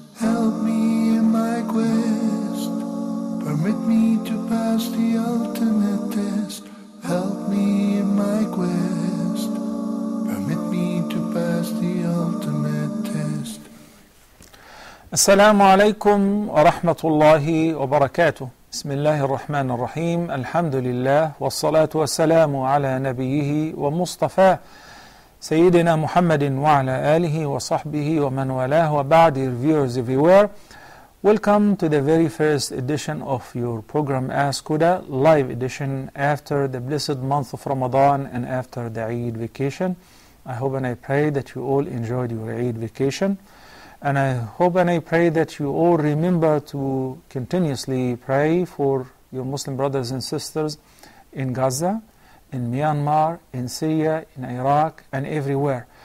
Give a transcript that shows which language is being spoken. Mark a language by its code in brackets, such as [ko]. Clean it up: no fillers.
[en] Help me in my quest. Permit me to pass the ultimate test. Help me in my quest. Permit me to pass the ultimate test. Assalamu alaikum wa rahmatullahi wa barakatuh. [ar] بسم الله الرحمن الرحيم الحمد لله والصلاة والسلام على نبيه ومصطفى سيدنا محمد وعلى آله وصحبه ومن والاه وبعد [en] viewers everywhere. Welcome to the very first edition of your program Ask Huda, live edition after the blessed month of Ramadan and after the Eid vacation. I hope and I pray that you all enjoyed your Eid vacation. And I hope and I pray that you all remember to continuously pray for your Muslim brothers and sisters in Gaza, in Myanmar, in Syria, in Iraq, and everywhere.